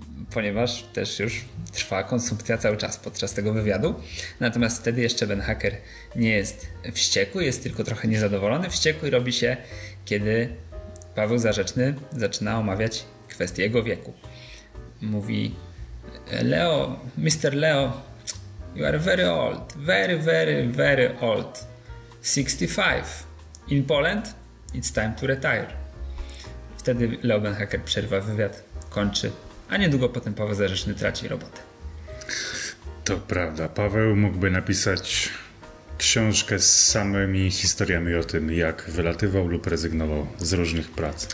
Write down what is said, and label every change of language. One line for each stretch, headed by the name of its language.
Polish: Ponieważ też już trwa konsumpcja cały czas podczas tego wywiadu. Natomiast wtedy jeszcze Benhaker nie jest wściekły, jest tylko trochę niezadowolony. Wściekły robi się, kiedy Paweł Zarzeczny zaczyna omawiać kwestię jego wieku. Mówi: "Leo, Mr.
English: Leo, you are very old, very, very, very old. 65. In Poland, it's time to retire."
Polish: Wtedy Leo Benhaker przerywa wywiad, kończy, a niedługo potem Paweł Zarzeczny traci robotę. To prawda. Paweł mógłby napisać książkę z samymi historiami o tym, jak wylatywał lub rezygnował z różnych prac.